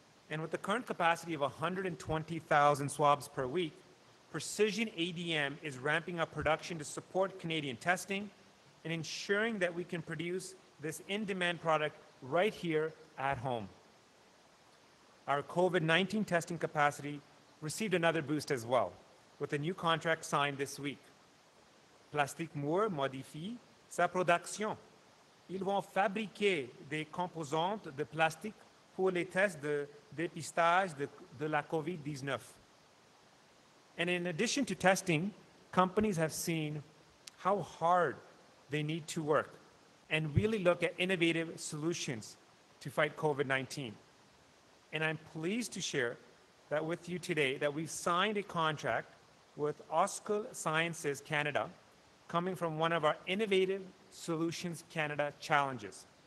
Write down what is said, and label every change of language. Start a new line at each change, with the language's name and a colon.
English: And with the current capacity of 120,000 swabs per week, Precision ADM is ramping up production to support Canadian testing and ensuring that we can produce this in-demand product right here at home. Our COVID-19 testing capacity received another boost as well, with a new contract signed this week.
French: Plastique Moore modifie sa production. Ils vont fabriquer des composantes de plastique pour les tests de dépistage de la COVID-19.
English: And in addition to testing, companies have seen how hard they need to work and really look at innovative solutions to fight COVID-19. And I'm pleased to share that with you today that we've signed a contract with Oskol Sciences Canada, coming from one of our Innovative Solutions Canada challenges.